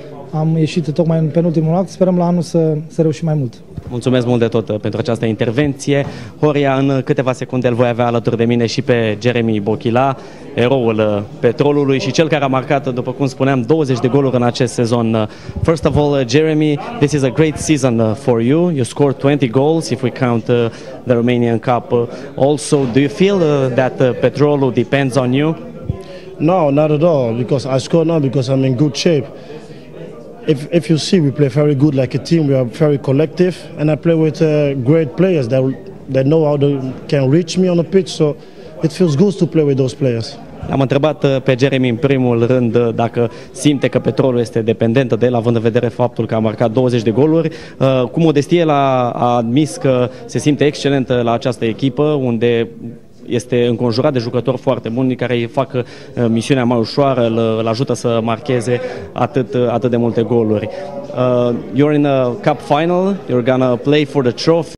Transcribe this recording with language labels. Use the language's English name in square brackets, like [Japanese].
[Romanian] am ieșit tocmai în penultimul loc. Sperăm la anul să reușim mai mult. Mulțumesc mult de tot pentru această intervenție. Horia, în câteva secunde îl voi avea alături de mine și pe Jeremy Bochila, eroul Petrolului și cel care a marcat, după cum spuneam, 20 de goluri în acest sezon. [English] First of all, Jeremy, this is a great season for you. You scored 20 goals if we count the Romanian Cup. Also, do you feel that Petrolul depends on you? No, not at all, because I score now because I'm in good shape. If you see, we play very good like a team. We are very collective, and I play with great players that know how they can reach me on the pitch. So it feels good to play with those players. [Romanian] L-am întrebat pe Jeremy în primul rând dacă simte că Petrolul este dependentă de el, având în vedere faptul că a marcat 20 de goluri. Cu modestie el a admis că se simte excelent la această echipă, unde este înconjurat de jucători foarte buni care îi fac misiunea mai ușoară, îl ajută să marcheze atât de multe goluri. [English] You're in a cup final, you're gonna play for the trophy.